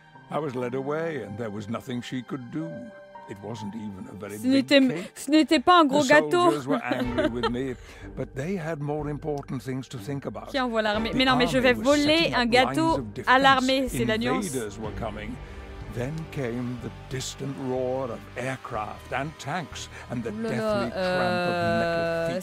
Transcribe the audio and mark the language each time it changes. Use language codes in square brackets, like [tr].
[en] I was led away and there was nothing she could do. It wasn't even a very big cake. [fr] Ce n'était pas un gros gâteau. [en] The soldiers were angry with me, but they had more important things to think about. [fr] Qui envoie l'armée? Mais non, mais je vais voler un gâteau à l'armée, c'est la nuance. [en] Invaders were coming. Then came the distant roar of aircraft and tanks and the deathly tramp of metal feet.